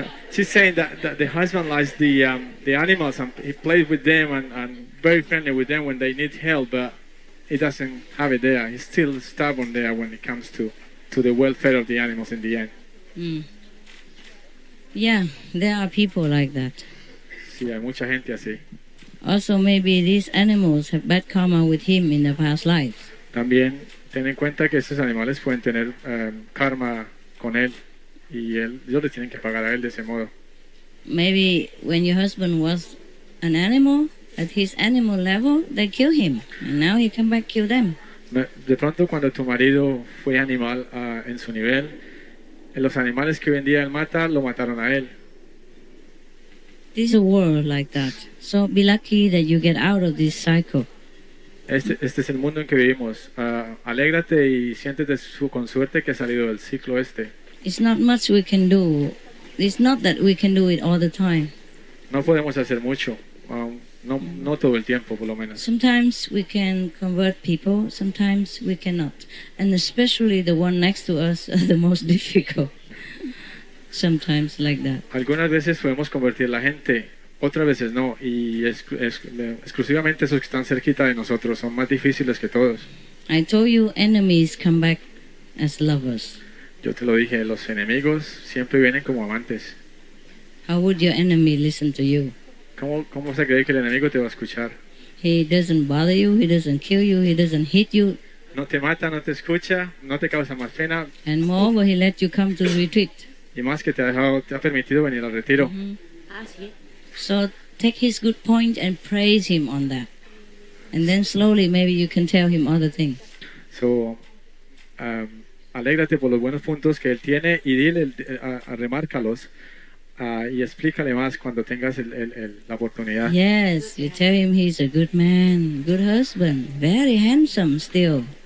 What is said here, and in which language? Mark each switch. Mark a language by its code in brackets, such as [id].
[en] She's saying that, that the husband likes the animals and he plays with them and very friendly with them when they need help, but he doesn't have it there. He's still stubborn there when it comes to the welfare of the animals in the end. Yeah, there are people like that. [es] Sí, hay mucha gente así. [en] Also, maybe these animals have bad karma with him in their past lives. [es] También ten en cuenta que esos animales pueden tener karma con él. Y él, ellos le tienen que pagar a él de ese modo. [en] Maybe when your husband was an animal, at his animal level, they kill him. And now he come back kill them. [es] De pronto cuando tu marido fue animal en su nivel, los animales que hoy en día él mata, lo mataron a él. [en] This is a world like that. So be lucky that you get out of this cycle. [es] Este es el mundo en que vivimos. Alégrate y siéntete con suerte que has salido del ciclo este. [en] It's not much we can do. It's not that we can do it all the time. [es] No podemos hacer mucho. No todo el tiempo, por lo menos. [en] Sometimes we can convert people, sometimes we cannot. And especially the one next to us are the most difficult. Sometimes like that. [es] Algunas veces podemos convertir la gente, otras veces no. Y exclusivamente esos que están cerquita de nosotros son más difíciles que todos. [en] I told you enemies come back as lovers. [es] Yo te lo dije, los enemigos siempre vienen como amantes. [en] How would your enemy listen to you? [es] ¿Cómo vas a creer que el enemigo te va a escuchar? [en] He doesn't bother you, he doesn't kill you, he doesn't hit you. [es] No te mata, no te escucha, no te causa más pena. [en] And moreover, he let you come to the retreat. [es] Y más que te ha permitido venir al retiro. Mm-hmm. Ah, sí. [en] So take his good point and praise him on that. And then slowly maybe you can tell him other things. [es] So, alégrate por los buenos puntos que él tiene y dile, remárcalos y explícale más cuando tengas la oportunidad. [en] Yes, you tell him he's a good man, good husband, very handsome still.